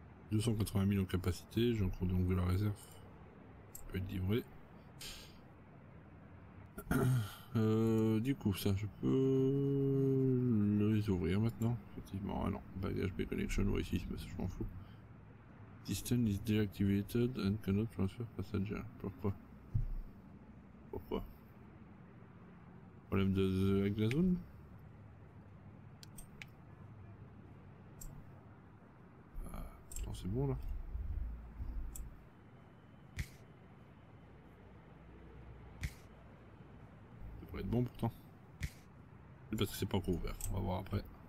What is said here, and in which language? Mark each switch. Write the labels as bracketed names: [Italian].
[French] 280 000 en capacité. J'ai encore donc de la réserve. Ça peut être livré. Du coup, ça, je peux les ouvrir maintenant. Effectivement. Ah non. Bagage B-Connection. Oui, ici, mais ça, je m'en fous. [English] System is deactivated and cannot transfer passenger. [French] Pourquoi? Pourquoi? Problème de avec la zone? Attends, c'est bon là. Ça devrait être bon pourtant. C'est parce que c'est pas encore ouvert. On va voir après.